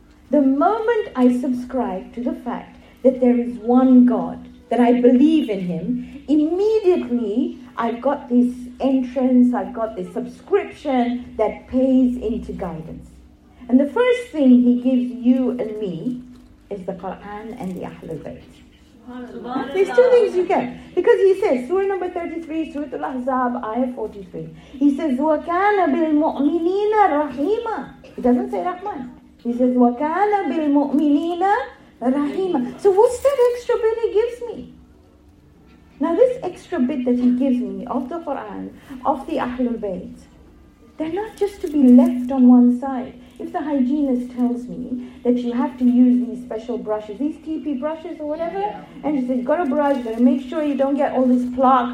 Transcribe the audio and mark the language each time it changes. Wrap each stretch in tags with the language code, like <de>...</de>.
<en>The moment I subscribe to the fact that there is one God, that I believe in Him, immediately I've got this entrance, I've got this subscription that pays into guidance. And the first thing He gives you and me is the Quran and the Ahlul Bayt. There's two things you get. Because he says, Surah number 33, Surah Al-Ahzab, Ayah 43. He says,</en> <ar>وَكَانَ بِالْمُؤْمِنِينَ رَحِيمًا.</ar> <en>He doesn't say Rahman. He says,</en> <ar>وَكَانَ بِالْمُؤْمِنِينَ رَحِيمًا.</ar> <en>So what's that extra bit he gives me? Now this extra bit that he gives me of the Quran, of the Ahlul Bayt, they're not just to be left on one side. If the hygienist tells me that you have to use these special brushes, these TP brushes or whatever, and she says, you've got to brush, but make sure you don't get all this plaque.</en>